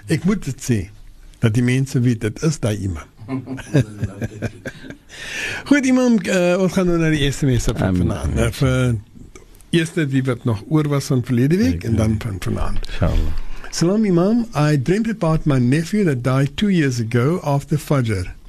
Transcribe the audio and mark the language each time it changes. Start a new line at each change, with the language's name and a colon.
Afrikaans: Ek moet het sê, dat die mensen weet, het is die imam. Goed imam, ons gaan nou naar die eerste mense van vanavond. Eerste die wat nog oor was van verlede week, en dan van vanavond.
English: Salam imam, I dreamt about my nephew that died 2 years ago after Fajr.